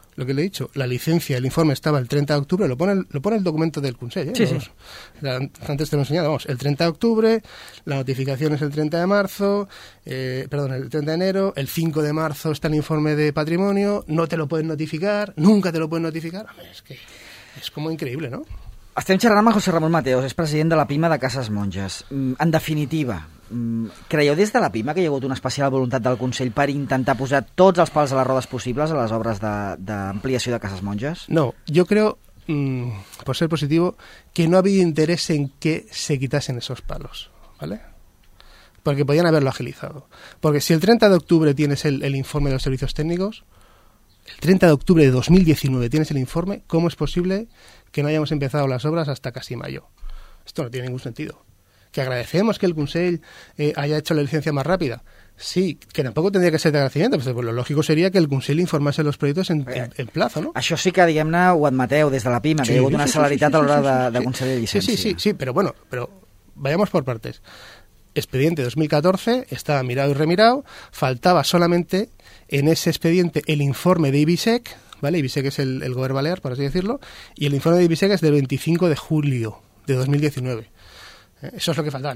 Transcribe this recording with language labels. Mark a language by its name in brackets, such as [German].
[Spanish] Lo que le he dicho, la licencia, el informe estaba el 30 de octubre, lo pone el documento del Consell, ¿eh? Sí. Antes te lo he enseñado, vamos, el 30 de octubre, la notificación es el 30 de marzo, el 30 de enero, el 5 de marzo está el informe de patrimonio, no te lo pueden notificar, nunca te lo pueden notificar, es que es como increíble, ¿no? [Catalan] Estem xerrant amb José Ramón Mateos, és president de la PIMA de Cases Monges. En definitiva, creieu des de la PIMA que hi ha hagut una especial voluntat del Consell per intentar posar tots els pals a les rodes possibles a les obres d'ampliació de Cases Monges? [Spanish] No, yo creo, por ser positivo, que no había interés en que se quitasen esos palos, ¿vale? Porque podían haberlo agilizado. Porque si el 30 de octubre tienes el informe de los servicios técnicos, el 30 de octubre de 2019 tienes el informe, ¿cómo es posible que no hayamos empezado las obras hasta casi mayo? Esto no tiene ningún sentido. Que agradecemos que el Consell haya hecho la licencia más rápida. Sí, que tampoco tendría que ser de agradecimiento, pero pues, lo lógico sería que el Consell informase los proyectos en plazo, ¿no? [Catalan] Això sí que, diguem-ne, ho admeteu des de la PIMA, que hi ha hagut una celeritat a l'hora de concedir llicència. [Spanish] Sí, pero bueno, pero vayamos por partes. Expediente 2014 estaba mirado y remirado, faltaba solamente en ese expediente el informe de IBISEC, ¿vale? IBISEC es el gobierno balear, por así decirlo, y el informe de IBISEC es del 25 de julio de 2019. Eso es lo que faltaba.